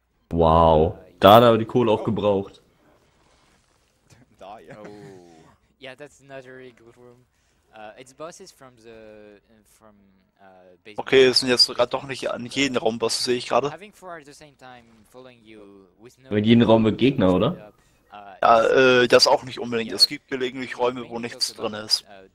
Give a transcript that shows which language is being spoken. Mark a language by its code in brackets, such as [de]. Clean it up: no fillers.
[de] Wow, da hat er aber die Kohle auch gebraucht. [en] Oh. Yeah, that's not a really good room. It's bosses from the from base. [de] Okay, es sind jetzt gerade doch nicht jeden Raum Bosse, sehe ich gerade. [en] Having four at the same time following you with no. [de] Aber in jedem Raum mit Gegner, oder? Ja, das auch nicht unbedingt. Es gibt gelegentlich Räume, wo nichts drin ist.